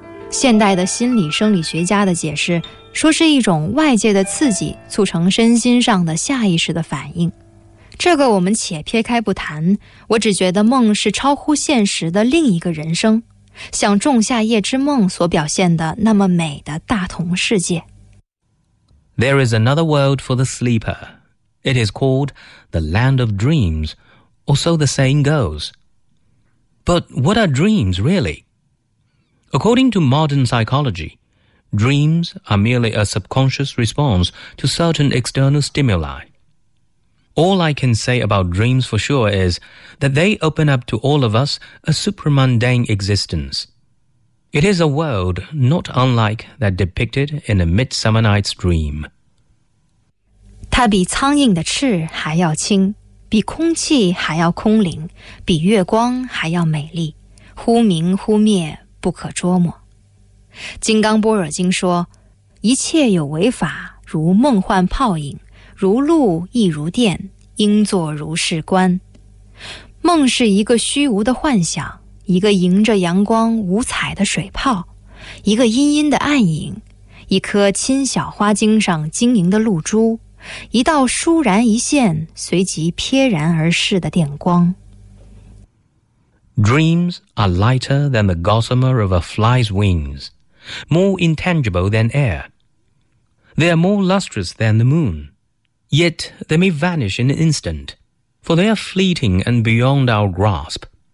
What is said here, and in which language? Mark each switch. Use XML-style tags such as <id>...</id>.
<zh>现代的心理生理学家的解释说，是一种外界的刺激促成身心上的下意识的反应。这个我们且撇开不谈，我只觉得梦是超乎现实的另一个人生，像仲夏夜之梦所表现的那么美的大同世界。</zh> <en>There is another world for the sleeperIt is called the land of dreams, or so the saying goes. But what are dreams, really? According to modern psychology, dreams are merely a subconscious response to certain external stimuli. All I can say about dreams for sure is that they open up to all of us a supramundane existence. It is a world not unlike that depicted in A Midsummer Night's Dream.</en> <zh>它比苍蝇的翅还要轻，比空气还要空灵，比月光还要美丽，忽明忽灭，不可捉摸。金刚般若经说，一切有为法，如梦幻泡影，如露亦如电，应作如是观。梦是一个虚无的幻想，一个迎着阳光五彩的水泡，一个阴阴的暗影，一颗亲小花茎上晶莹的露珠，一道倏然一现，随即瞥然而逝的电光。</zh> <en>Dreams are lighter than the gossamer of a fly's wings, more intangible than air. They are more lustrous than the moon, yet they may vanish in an instant, for they are fleeting and beyond our grasp.</en>